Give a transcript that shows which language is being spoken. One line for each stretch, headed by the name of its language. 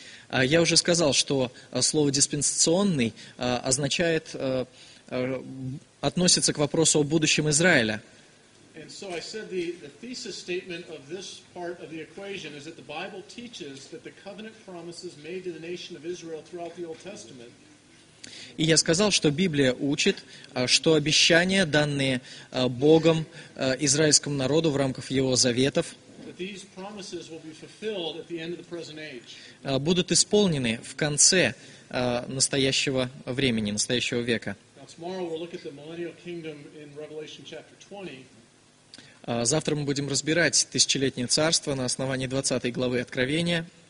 Russian: Я уже сказал, что слово «диспенсационный» означает, относится к вопросу о будущем Израиля.
English: And so I said the thesis statement of this part of the equation is that the Bible teaches that the covenant promises made to the nation of Israel throughout the Old Testament.
Russian: И я сказал, что Библия учит, что обещания, данные Богом израильскому народу в рамках его заветов,
English: that these promises will be fulfilled at the end of the present age.
Russian: Будут исполнены в конце настоящего времени, настоящего века.
English: Now tomorrow we'll look at the millennial kingdom in Revelation chapter 20.
Russian: Завтра мы будем разбирать тысячелетнее царство на основании 20 главы Откровения.